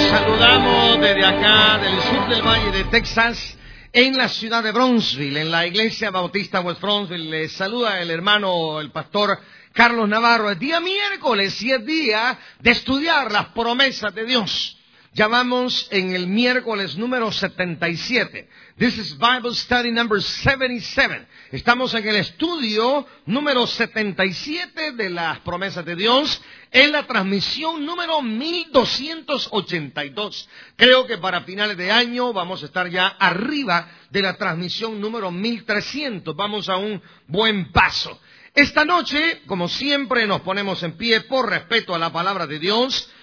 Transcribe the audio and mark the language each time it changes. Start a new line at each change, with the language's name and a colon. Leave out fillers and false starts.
Spanish: Saludamos desde acá, del sur del Valle de Texas, en la ciudad de Brownsville, en la Iglesia Bautista West Brownsville. Les saluda el hermano, el Pastor Carlos Navarro. Es día miércoles y es día de estudiar las promesas de Dios. Ya vamos en el miércoles número 77.
English: This is Bible study number 77.
Spanish: Estamos en el estudio número 77 de las promesas de Dios, en la transmisión número 1282. Creo que para finales de año vamos a estar ya arriba de la transmisión número 1300. Vamos a un buen paso. Esta noche, como siempre, nos ponemos en pie por respeto a la palabra de Dios.